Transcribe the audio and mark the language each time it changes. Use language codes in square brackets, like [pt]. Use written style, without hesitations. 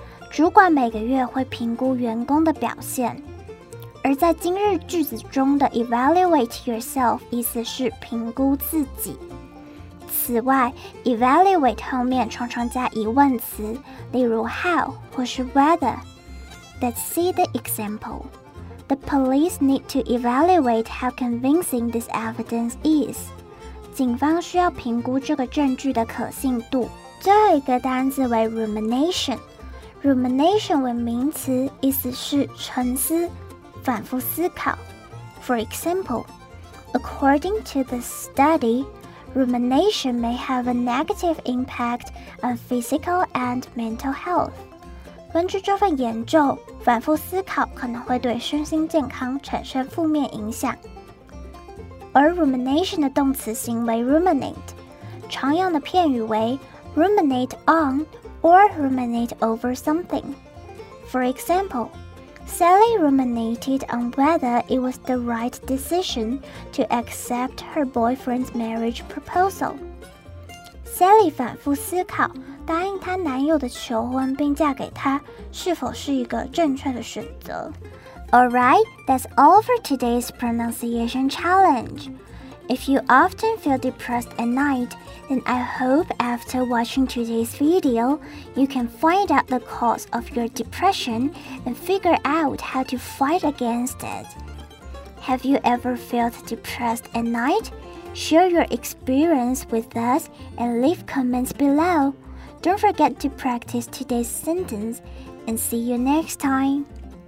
[zh] 主管每个月会评估员工的表现。而在今日句子中的 [en] evaluate yourself [zh] 意思是评估自己。此外， evaluate 后面常常加疑问词，例如 how 或是 whether。 [en] Let's see the example. The police need to evaluate how convincing this evidence is. [zh] 警方需要评估这个证据的可信度。最后一个单字为 rumination。Rumination 为名词，意思是沉思、反复思考。 [en] For example, according to the study, rumination may have a negative impact on physical and mental health. [zh] 根据这份研究，反复思考可能会对身心健康产生负面影响。而 rumination 的动词形为 ruminate, 常用的片语为 [en] ruminate on or ruminate over something. For example,Sally ruminated on whether it was the right decision to accept her boyfriend's marriage proposal. [zh] Sally 反复思考答应她男友的求婚并嫁给他是否是一个正确的选择。 [en] Alright, that's all for today's pronunciation challenge. If you often feel depressed at night, then I hope after watching today's video, you can find out the cause of your depression and figure out how to fight against it. Have you ever felt depressed at night? Share your experience with us and leave comments below. Don't forget to practice today's sentence and see you next time.